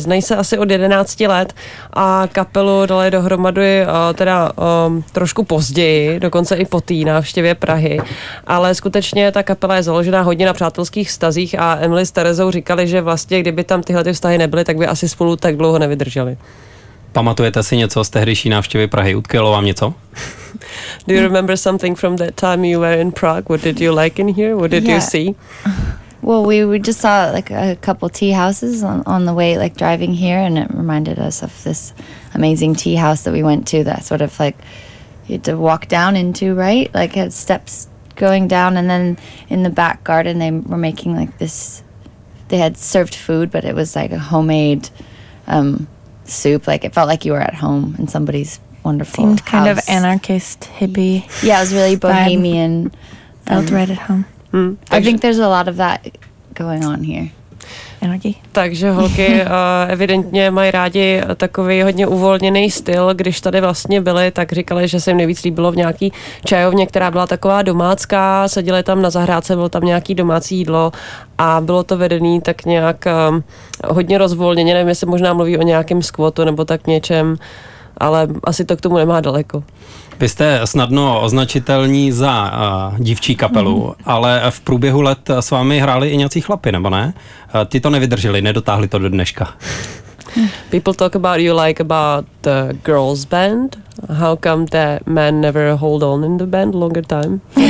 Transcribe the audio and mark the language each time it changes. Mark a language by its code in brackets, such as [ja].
[cs] Znají se asi od 11 let a kapelu dali dohromady trošku později, dokonce i po té návštěvě Prahy. Ale skutečně ta kapela je založená hodně na přátelských vztazích a Emily s Theresou říkali, že vlastně kdyby tam tyhle ty vztahy nebyly, tak by asi spolu tak dlouho nevydrželi. Pamatujete si něco z tehdejší návštěvy Prahy? Utkvělo vám něco? [en] Do you remember something from that time you were in Prague? What did you like in here? What did you see? Well, we just saw like a couple tea houses on the way, like driving here, and it reminded us of this amazing tea house that we went to, that sort of like you had to walk down into, right? Like had steps going down, and then in the back garden they were making like this, they had served food, but it was like a homemade soup. Like it felt like you were at home in somebody's wonderful seemed house. Kind of anarchist hippie. Yeah, it was really bohemian. Felt right at home. I think there's a lot of that going on here. [cs] Takže holky evidentně mají rádi takový hodně uvolněný styl. Když tady vlastně byli, tak říkali, že se jim nejvíc líbilo v nějaký čajovně, která byla taková domácká. Seděli tam na zahrádce, bylo tam nějaký domácí jídlo a bylo to vedený tak nějak hodně rozvolněně. Nevím, jestli možná mluví o nějakém skvotu nebo tak něčem, ale asi to k tomu nemá daleko. Vy jste snadno označitelní za dívčí kapelu, ale v průběhu let s vámi hráli i nějací chlapy, nebo ne? Ty to nevydrželi, nedotáhli to do dneška. [en] People talk about you like about the girls band. How come the men never hold on in the band longer time?